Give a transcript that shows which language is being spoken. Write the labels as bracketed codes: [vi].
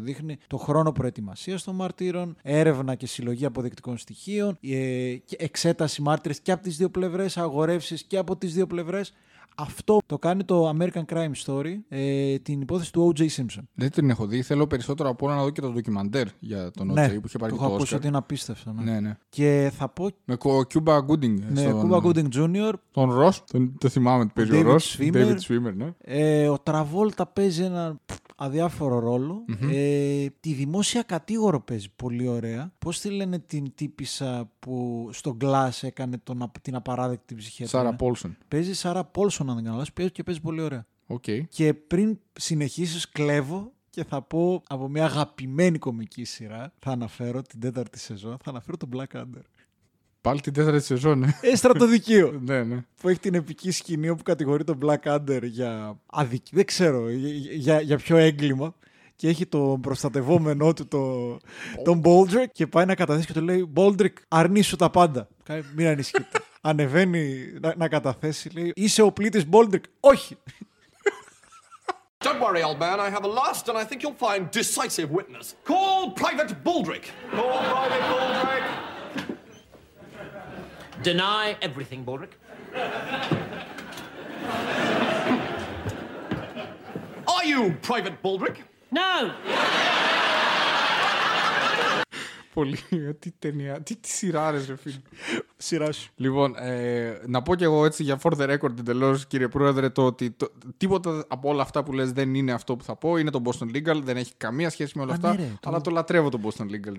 [el] Δείχνει το χρόνο προετοιμασίας των μαρτύρων, έρευνα και συλλογή αποδεικτικών στοιχείων, εξέταση μάρτυρες και από τις δύο πλευρές, αγορεύσεις και από τις δύο πλευρές. Αυτό το κάνει το American Crime Story, την υπόθεση του O.J. Simpson. Δεν την έχω δει. Θέλω περισσότερο από όλα να δω και το ντοκιμαντέρ για τον O.J. Ναι, που είχε πάρει το Oscar. Το έχω ακούσει ότι είναι απίστευτο. Ναι. Ναι. Και θα πω... Με Cuba Gooding. Ναι, Cuba Gooding Jr. Τον Ross, το θυμάμαι ότι παίζει ο Ross. David Schwimmer, ναι. Ο Travolta παίζει ένα αδιάφορο ρόλο. Mm-hmm. Τη δημόσια κατήγορο παίζει πολύ ωραία. Πώς τη λένε την τύπισσα που στο Glass έκανε την απαράδεκτη ψυχή. Σάρα Πόλσον. Παίζει Σάρα Πόλσον, αν δεν κάνω λάθος. Παίζει και παίζει πολύ ωραία. Okay. Και πριν συνεχίσεις, κλέβω και θα πω από μια αγαπημένη κομική σειρά. Θα αναφέρω την τέταρτη σεζόν. Θα αναφέρω τον Black Adder. Πάλι την τέταρτη σεζόν, ναι. Στρατοδικείο. Ναι, ναι. Που έχει την επική σκηνή όπου κατηγορεί τον Black Adder για αδική, δεν ξέρω, για ποιο έγκλημα. Και έχει τον προστατευόμενό του, τον Baldrick, και πάει να καταθέσει και του λέει: Baldrick, αρνήσου τα πάντα. Μην ανησυχείτε. Ανεβαίνει να καταθέσει, λέει: Είσαι ο πλήτης Baldrick. Όχι. [en] Don't worry, old man. I have a last and I think you'll find decisive witness. Call Private Baldrick. Call Private Baldrick. Deny everything, Baldrick. Are you Private Baldrick? No! [el] Πολύ, τι ταινία, τι σειράρες, ρε φίλε. Σειράς. Λοιπόν, να πω κι εγώ έτσι για [en] for the record [el] εντελώς, κύριε Πρόεδρε, το ότι τίποτα από όλα αυτά που λες δεν είναι αυτό που θα πω. Είναι το Boston Legal, δεν έχει καμία σχέση με όλα αυτά. Αλλά το λατρεύω το Boston Legal,